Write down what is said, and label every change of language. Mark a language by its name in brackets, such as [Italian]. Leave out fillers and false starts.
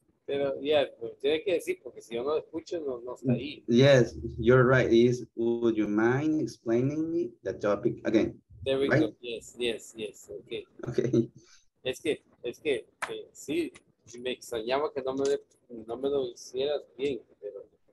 [Spanish] Pero, yeah, tiene que decir, porque si yo no escucho, no está ahí. [English] Yes, you're right. Is, would you mind explaining me the topic again? There we right? go. Yes. Okay. Okay. [Spanish] Es que, sí, si me extrañaba que no me lo hicieras bien, pero...